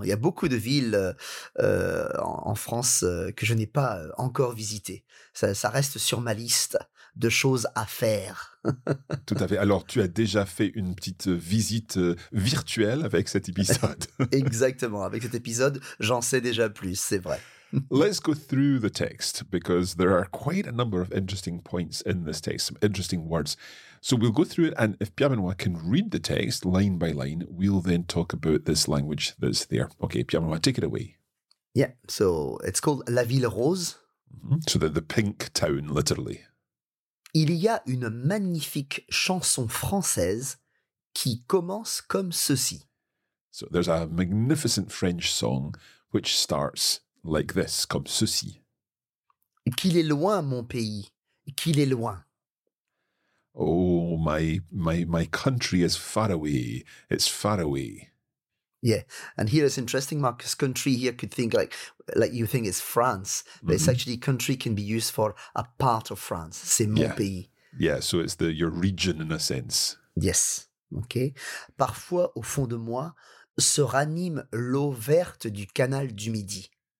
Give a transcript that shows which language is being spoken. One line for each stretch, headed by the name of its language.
French: Il y a beaucoup de villes en France que je n'ai pas encore visitées. Ça reste sur ma liste de choses à faire. Tout à fait. Alors, tu as déjà fait une petite visite virtuelle avec cet épisode. Exactement. Avec cet épisode, j'en sais déjà plus, c'est vrai.
English: Let's go through the text, because there are quite a number of interesting points in this text, some interesting words. So we'll go through it, and if Pierre-Benoît can read the text line by line, we'll then talk about this language that's there. Okay, Pierre-Benoît, take it away. Yeah, so it's called La Ville Rose. Mm-hmm. So the pink town, literally.
French: Il y a une magnifique chanson française qui commence comme ceci.
English: So there's a magnificent French song which starts like this,
French: comme ceci. Qu'il est loin, mon pays, qu'il est loin.
English: Oh, my country is far away, it's far away. Yeah, and here it's interesting, Marcus. Country here could think like you think it's France, but mm-hmm. It's actually country can be used for a part of France.
French: C'est mon pays.
English: Yeah, so it's your region in a sense. Yes, okay.
French: Parfois, au fond de moi, se ranime l'eau verte du canal du Midi.